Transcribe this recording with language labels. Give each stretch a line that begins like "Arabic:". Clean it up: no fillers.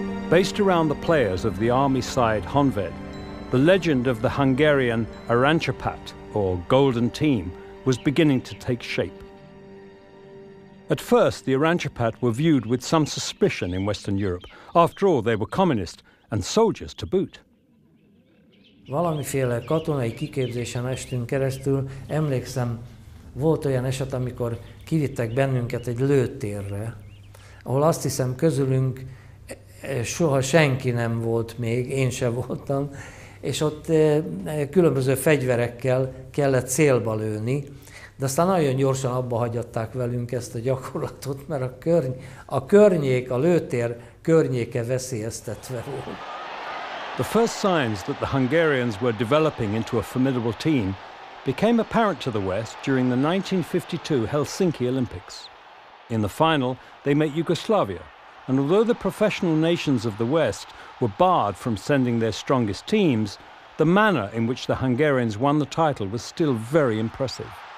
English: Based around the players of the army side Honved, the legend of the Hungarian Aranycsapat, or Golden Team, was beginning to take shape. At first, the Aranycsapat were viewed with some suspicion in Western Europe. After all, they were communist and soldiers to boot.
Hungarian: Valamiféle katonai kiképzésen estünk keresztül, emlékszem, volt olyan eset, amikor kivittek bennünket egy lőtérre, ahol azt hiszem közülünk soha senki nem volt még, én sem voltam, és ott különböző fegyverekkel kellett célba lőni, de aztán nagyon gyorsan abba hagyatták velünk ezt a gyakorlatot, mert a lőtér környéke veszélyeztetve volt.
English: The first signs that the Hungarians were developing into a formidable team became apparent to the West during the 1952 Helsinki Olympics. In the final, they met Yugoslavia, and although the professional nations of the West were barred from sending their strongest teams, the manner in which the Hungarians won the title was still very impressive.